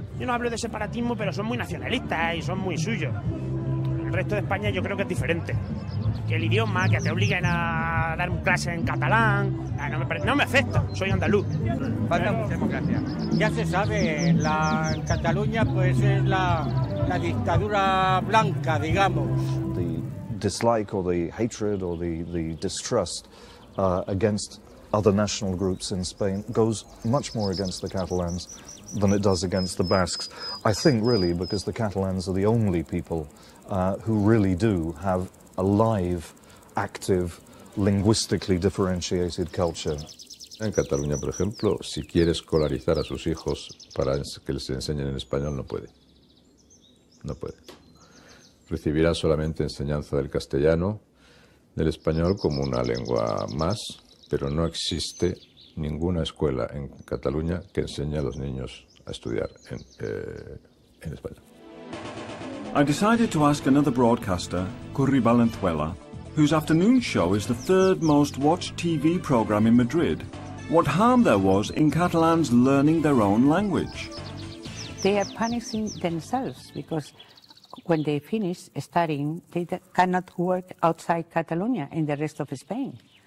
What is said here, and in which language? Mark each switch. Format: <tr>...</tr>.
<es>Yo no hablo de separatismo, pero son muy nacionalistas y son muy suyos. El resto de España yo creo que es diferente. Que el idioma, que te obliguen a dar clase en catalán. No me afecta, soy andaluz. Falta mucha democracia. Ya se sabe, en Cataluña pues es la dictadura blanca, digamos.</es> <en>The dislike or the hatred or the distrust against other national groups in Spain goes much more against the Catalans than it does against the Basques. I think really because the Catalans are the only people who really do have a live, active, linguistically differentiated culture.</en> <es>En Cataluña, por ejemplo, si quiere escolarizar a sus hijos para que les enseñen en español, no puede. No puede. Recibirá solamente enseñanza del castellano, del español como una lengua más, pero no existe ninguna escuela en Cataluña que enseñe a los niños a estudiar en español.</es> <en>I decided to ask another broadcaster, Curri Valenzuela, whose afternoon show is the third most watched TV program in Madrid, what harm there was in Catalans learning their own language. They are punishing themselves because when they finish studying, they cannot work outside Catalonia in the rest of Spain.</en>